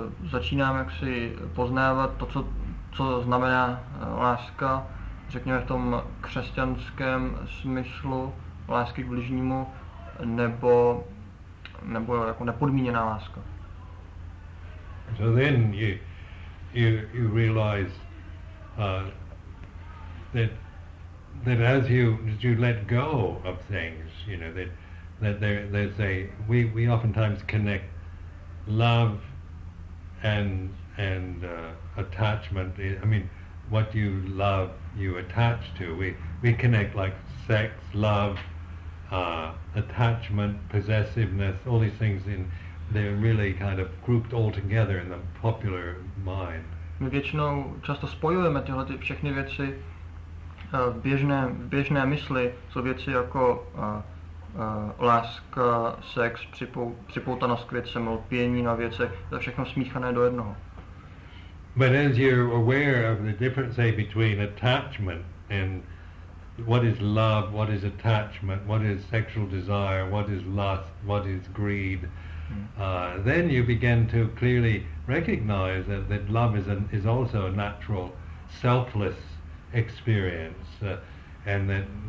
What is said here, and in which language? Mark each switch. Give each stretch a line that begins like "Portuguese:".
Czech: začínám jaksi poznávat to, co znamená láska, řekněme v tom křesťanském smyslu lásky k bližnímu, nebo jako nepodmíněná láska.
English: So then you realize that as you let go of things, you know, we oftentimes connect love and attachment. I mean, what you love, you attach to. We connect like sex, love, attachment, possessiveness, all these things they're really kind of grouped all together in the popular mind.
Czech: My většinou často spojujeme tyhle všechny věci v běžné mysli, jsou věci jako láska, sex, připoutanost k věcem, lpění na věce, to je všechno smíchané do jednoho.
English: But as you're aware of the difference, say, between attachment and what is love, what is attachment, what is sexual desire, what is lust, what is greed, then you begin to clearly recognize that, that love is also a natural, selfless experience, and that